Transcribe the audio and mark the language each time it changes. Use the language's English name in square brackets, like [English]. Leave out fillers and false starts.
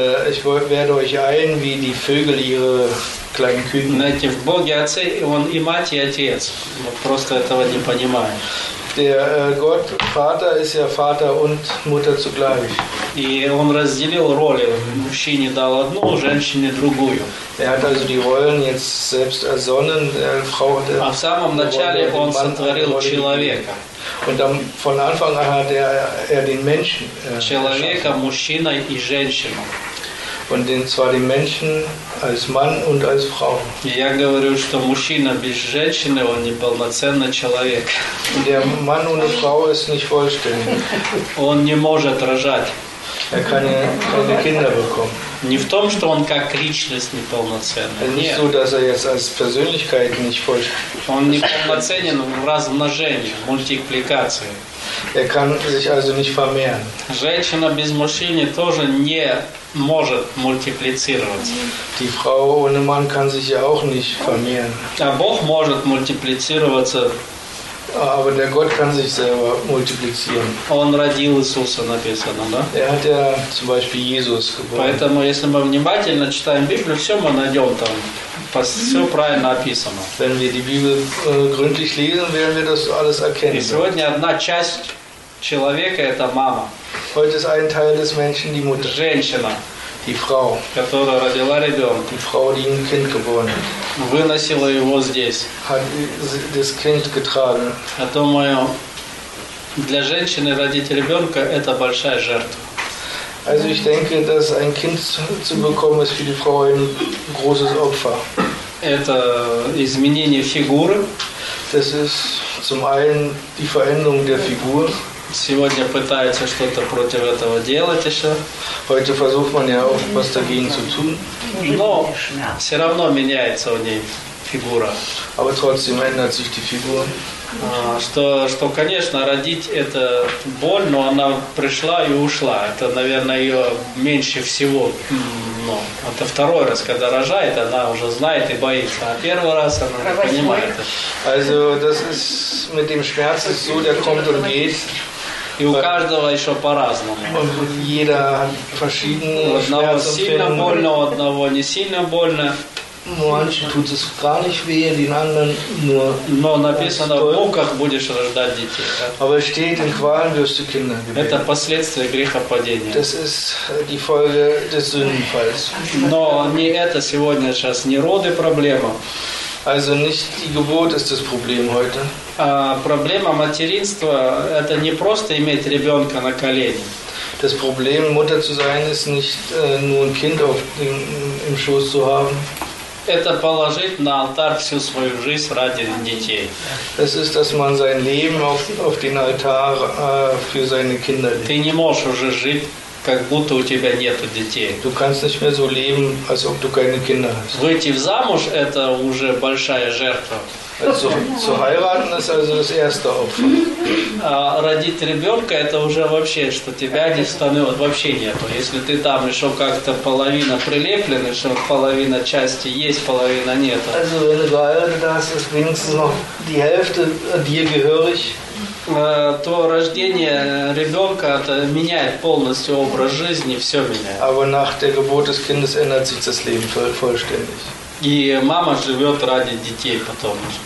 [German] Ich werde euch ein, wie die Vögel ihre kleinen Küken. [Russian] Знаете, в Боге Отце, он и мать, и отец. Мы просто этого не понимаем. [German] Der Gott Vater ist ja Vater und Mutter zugleich. [Russian] И он разделил роли. Мужчине дал одну, женщине другую. [German] Er hat also die Rollen jetzt selbst ersonnen. Frau hat [Russian] в самом начале он сотворил человека. [German] Und dann von Anfang an hat er den Menschen. [Russian] Человека, мужчина и женщину. [German] Und den zwar den Menschen als Mann und als Frau. [Russian] Я говорю, что мужчина без женщины, он не полноценный человек. [German] Der Mann ohne Frau ist nicht vollständig. [Russian] Он не может рожать. [German] Er kann keine Kinder bekommen. [Russian] Не в том, что он как личность неполноценный. [German] Nicht so, dass er jetzt als Persönlichkeit nicht vollständig. [Russian] Он неполноценен в размножении, мультипликации. [German] Er kann sich also nicht vermehren. [Russian] Женщина без мужчины тоже не может мультиплицироваться. [German] Die Frau ohne Mann kann sich ja auch nicht vermehren. [Russian] А Бог может мультиплицироваться. [German] Aber der Gott kann sich selber multiplizieren. [Russian] Он родил Иисуса, написано, да? [German] Er hat ja zum Beispiel Jesus geboren. [Russian] Поэтому, если мы внимательно читаем Библию, все мы найдем там, все правильно описано. [German] Wenn wir die Bibel gründlich lesen, werden wir das alles erkennen. [Russian] И сегодня одна часть человека – это мама. [German] Heute ist ein Teil des Menschen die Mutter. [Russian] Женщина. [German] Die Frau. [Russian] Которая родила ребенка. [German] Die Frau, die ein Kind geboren hat. [Russian] Выносила его здесь. [German] Hat das Kind getragen. [Russian] Я думаю, для женщины родить ребенка – это большая жертва. [German] Also ich denke, dass ein Kind zu bekommen ist für die Frau ein großes Opfer. [Russian] Это изменение фигуры. [German] Das ist zum einen die Veränderung der Figur. [Russian] Сегодня пытаются что-то против этого делать еще. [German] Heute versucht man ja auch was dagegen zu tun. [Russian] Но все равно меняется у ней фигура. [German] Aber trotzdem ändert sich die Figur. [Russian] Что, конечно, родить – это боль, но она пришла и ушла. Это, наверное, ее меньше всего. Но это второй раз, когда рожает, она уже знает и боится. А первый раз она понимает. [German] Also, das ist mit dem Schmerz, so, der kommt und geht. [Russian] И у каждого еще по-разному. [German] Jeder verschiedene [Russian] у одного сильно больно, у одного не сильно больно. [German] Manche tut es gar nicht weh, den anderen nur. [Russian] Но написано, в муках будешь рождать детей. [German] Aber steht in Qualen wirst du Kinder geben. [Russian] Это последствия грехопадения. [German] Das ist die Folge des Sündenfalls. [Russian] Но не это сегодня сейчас, не роды проблема. [German] Also nicht die Geburt ist das Problem heute. [Russian] А проблема материнства – это не просто иметь ребенка на колени. [German] Das Problem, Mutter zu sein, ist nicht nur ein Kind auf dem, im Schoß zu haben. [Russian] Это положить на алтарь всю свою жизнь ради детей. [German] Das ist, dass man sein Leben auf den Altar für seine Kinder legt. [Russian] Ты не можешь уже жить, как будто у тебя нету детей. [German] Du kannst nicht mehr so leben, als ob du keine Kinder hast. [Russian] Выйти замуж – это уже большая жертва. [German] Also, zu heiraten ist also das erste Opfer. [Russian] А родить ребенка – это уже вообще, что тебя не становит, вообще нету. Если ты там еще как-то половина прилеплен, еще половина части есть, половина нет. [German] Also, wenn du geheiratet hast, ist wenigstens noch die Hälfte dir gehörig. [Russian] То рождение ребенка это меняет полностью образ жизни, все меняет. [German] Aber nach der Geburt des Kindes ändert sich das Leben vollständig. [Russian] И мама живет ради детей потом.